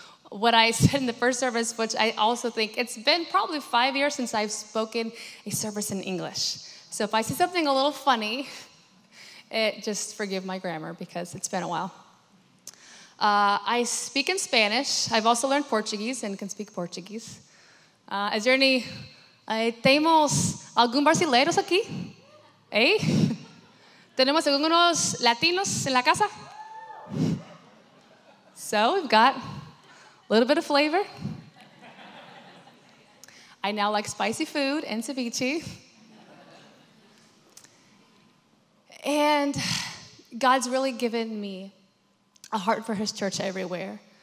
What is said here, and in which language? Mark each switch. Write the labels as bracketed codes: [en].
[en] What I said in the first service, which I also think it's been probably 5 years since I've spoken a service in English. So if I say something a little funny, just forgive my grammar because it's been a while. I speak in Spanish. I've also learned Portuguese and can speak Portuguese. Is there any, [es] tenemos algún brasileños aquí? ¿Eh? ¿Tenemos algunos latinos en la casa? [en] So we've got a little bit of flavor. I now like spicy food and ceviche. And God's really given me a heart for his church everywhere.